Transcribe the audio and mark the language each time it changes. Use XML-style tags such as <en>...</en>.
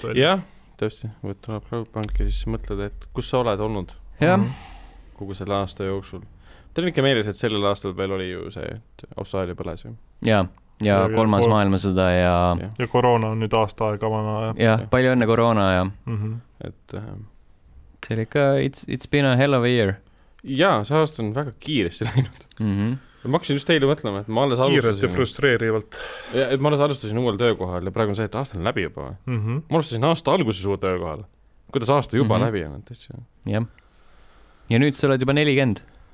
<et>Jah, tõesti. Või tuleb Cloudpunk ja siis mõtled, et kus sa oled olnud. Jah. Kogu selle aasta jooksul. Teile ikka meeles, et sellel aastal veel oli ju see, et Australia põles. Ja kolmas maailmasõda ja... Ja korona on nüüd aasta aega vana. Jah, palju õnne korona ja... Mm-hmm. Et, see oli ka,</et> <en>it's been a hell of a year.</en> <et>Jah, see aasta on väga kiiresti läinud. Mm-hmm. Ma hakkasin just teile mõtlema, et ma alles alustasin... Kiiret ja frustreerivalt. Ja, et ma alles alustasin uuel töökohal ja praegu on see, et aasta on läbi juba. Mm-hmm. Ma alustasin aasta alguses uue töökohal. Kuidas aasta juba läbi on? Jah. Ja nüüd sa oled juba 40.</et>